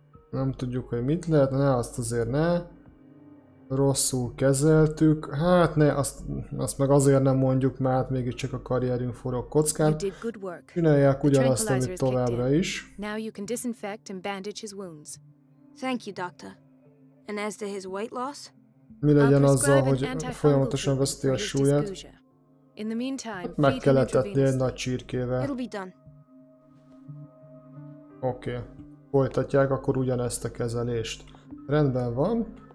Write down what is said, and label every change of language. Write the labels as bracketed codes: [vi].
[hu] Nem tudjuk, hogy mit lehet. Ne, azt azért ne. rosszul kezeltük. Hát ne, azt meg azért nem mondjuk, mert mégiscsak a karrierünk forog kockán. Csinálják ugyanazt, amit továbbra is. [en] Now you can disinfect and bandage his wounds. Thank you, doctor. And as to his weight loss? [hu] Mi legyen azzal, hogy folyamatosan veszti a súlyát? Hát meg kell etetni egy nagy csirkével. Oké. Folytatják akkor ugyanezt a kezelést. Rendben van.